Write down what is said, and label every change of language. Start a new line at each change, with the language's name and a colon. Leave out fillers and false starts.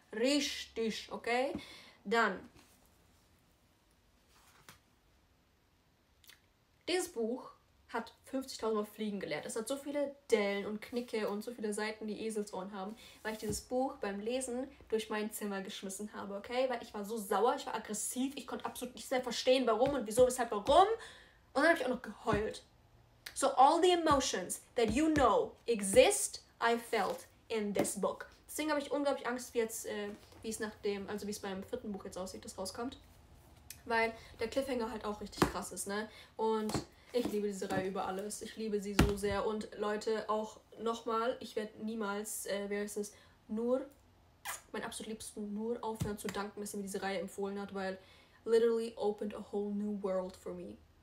German: Richtig, okay? Dann, dieses Buch hat 50.000 Mal fliegen gelernt. Es hat so viele Dellen und Knicke und so viele Seiten, die Eselsohren haben, weil ich dieses Buch beim Lesen durch mein Zimmer geschmissen habe, okay? Weil ich war so sauer, ich war aggressiv, ich konnte absolut nicht mehr verstehen, warum und wieso, weshalb, warum. Und dann habe ich auch noch geheult.
English: So all the emotions that you know exist, I felt in this book.
German: Deswegen habe ich unglaublich Angst, wie es beim vierten Buch jetzt aussieht, das rauskommt. Weil der Cliffhanger halt auch richtig krass ist, ne? Und ich liebe diese Reihe über alles. Ich liebe sie so sehr. Und Leute, auch nochmal, ich werde niemals, mein absolut liebsten Nur aufhören zu danken, dass sie mir diese Reihe empfohlen hat, weil
English: literally opened a whole new world for me.